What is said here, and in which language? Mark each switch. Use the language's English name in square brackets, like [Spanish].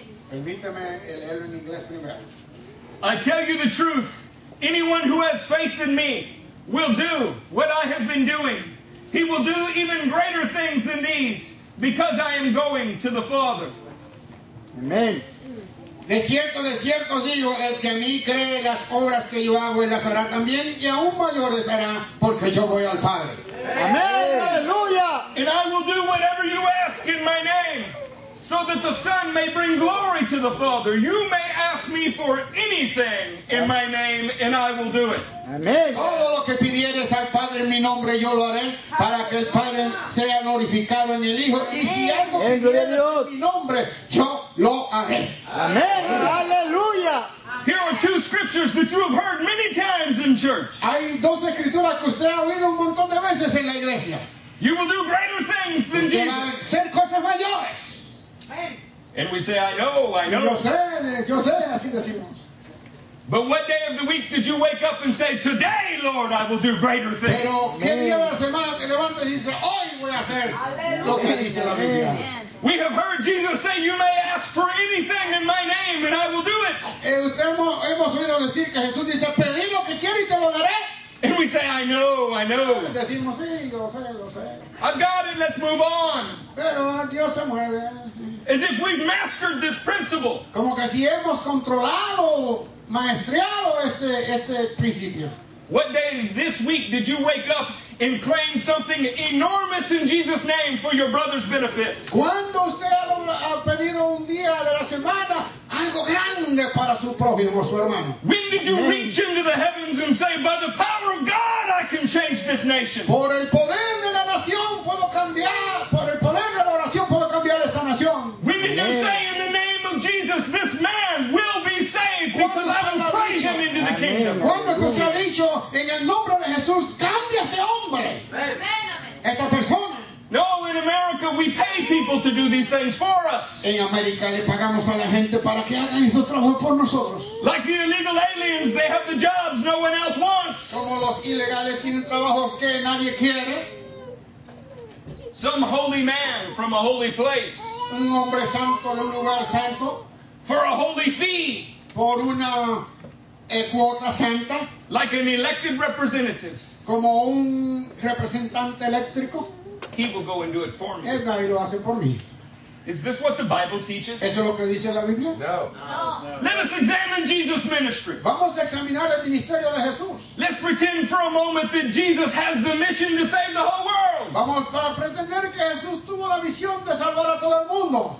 [Spanish] Permítame leer en inglés primero. [English] I tell you the truth. Anyone who has faith in me will do what I have been doing. He will do even greater things than these because I am going to the Father. Amen. [Spanish] De cierto digo, el que a mí cree las obras que yo hago, él las hará también, y aún mayores hará, porque yo voy al Padre. Amen. Aleluya. [English] And I will do whatever you ask in my name, so that the Son may bring glory to the Father. You may ask me for anything in my name, and I will do it. Amen. [Spanish] Todo lo que pidieres al Padre en mi nombre, yo lo haré, para que el Padre sea glorificado en el Hijo. Y si algo que pidieres en mi nombre, yo lo haré. Amen. Aleluya. [English] Here are two scriptures that you have heard many times in church. [Spanish] Hay dos escrituras que usted ha oído un montón de veces en la iglesia. [English] You will do greater things than [Spanish] usted [English] Jesus. [Spanish] Va a hacer cosas mayores. [English] And we say, I know, I know. [Spanish] Yo sé, así decimos. [English] But what day of the week did you wake up and say, today, Lord, I will do greater things? [Spanish] Pero qué día de la semana te levantas y dices, hoy voy a hacer lo que dice la Biblia. [English] We have heard Jesus say, you may ask for anything in my name, and I will do it. [Spanish] Hemos oído decir que Jesús dice, pedí lo que quieres y te lo daré. [English] And we say, I know, I know. [Spanish] Decimos, sí, yo sé, lo sé. [English] I've got it, let's move on. [Spanish] Pero Dios se mueve. [English] As if we've mastered this principle. [Spanish] Como que si hemos controlado, maestreado este principio. [English] What day this week did you wake up and claim something enormous in Jesus' name for your brother's benefit? [Spanish] ¿Cuándo usted ha pedido un día de la semana algo grande? grande para su prójimo, su hermano. [English] When did you reach into the heavens and say, by the power of God, I can change this nation? [Spanish] Por el poder de la nación puedo cambiar, por el poder de la oración puedo cambiar esa nación. [English] When did you say, in the name of Jesus, this man will be saved because I will pray him into the kingdom? [Spanish] Cuando usted ha dicho, en el nombre de Jesús, cambia este hombre. Esta persona. [English] No, in America we pay people to do these things for us. [Spanish] En América le pagamos a la gente para que hagan esos trabajos por nosotros. [English] Like the illegal aliens, they have the jobs no one else wants. [Spanish] Como los ilegales tienen trabajos que nadie quiere. [English] Some holy man from a holy place. [Spanish] Un hombre santo de un lugar santo. [English] For a holy fee. [Spanish] Por una cuota santa. [English] Like an elected representative. [Spanish] Como un representante eléctrico. [English] He will go and do it for me. [Spanish] Él va y lo hace por mí. [English] Is this what the Bible teaches? [Spanish] ¿Eso es lo que dice la Biblia? [English] No. No. Let us examine Jesus' ministry. [Spanish] Vamos a examinar el ministerio de Jesús. [English] Let's pretend for a moment that Jesus has the mission to save the whole world. [Spanish] Vamos para pretender que Jesús tuvo la misión de salvar a todo el mundo.